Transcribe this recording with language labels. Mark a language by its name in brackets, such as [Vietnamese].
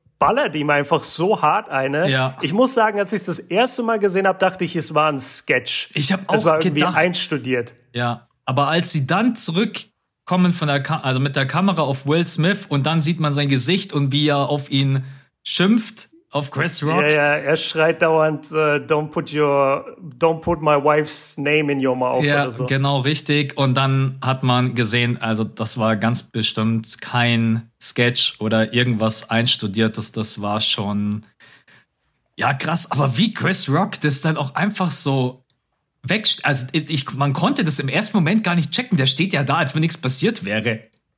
[German] ballert ihm einfach so hart eine. Ja. Ich muss sagen, als ich es das erste Mal gesehen habe, dachte ich, es war ein Sketch. Ich habe auch gedacht. Es war irgendwie einstudiert. Ja, aber als sie dann zurückkommen von der also mit der Kamera auf Will Smith und dann sieht man sein Gesicht und wie er auf ihn schimpft, auf Chris Rock. Ja, ja, er schreit dauernd, [English] don't put my wife's name in your mouth. [German] Ja, oder so. Genau, richtig. Und dann hat man gesehen, also das war ganz bestimmt kein Sketch oder irgendwas Einstudiertes. Das war schon, ja, krass. Aber wie Chris Rock das dann auch einfach so weg, also man konnte das im ersten Moment gar nicht checken. Der steht ja da, als wenn nichts passiert wäre.